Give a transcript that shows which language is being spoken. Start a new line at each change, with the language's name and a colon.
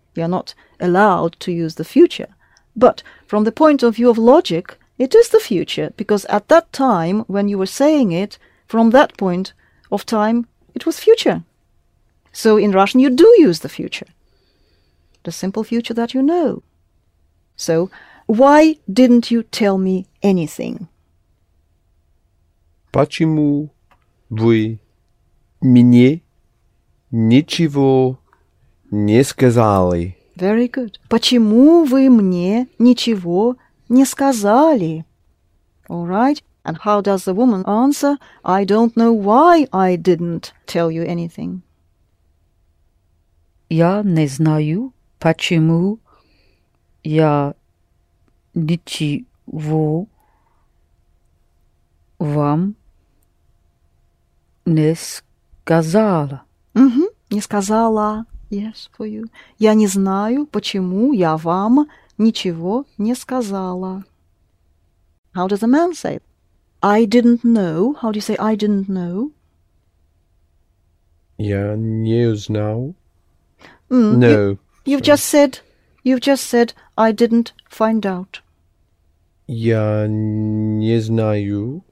English: You are not allowed to use the future. But from the point of view of logic, it is the future, because at that time when you were saying it, from that point of time, it was future. So in Russian, you do use the future, the simple future that you know. So why didn't you tell me anything?
Russian: Почему вы мне ничего не сказали?
English: Very good.
Russian: Почему вы мне ничего не сказали?
English: All right. And how does the woman answer? I don't know why I didn't tell you anything.
Russian: Я не знаю, почему я ничего вам не сказала. Не сказала.
English: Yes, for you.
Russian: Я не знаю, почему я вам ничего не сказала.
English: How does a man say it? I didn't know. How do you say I didn't know?
Russian: Я не узнал.
English: No. You've just said I didn't find out.
Russian: Я не знаю.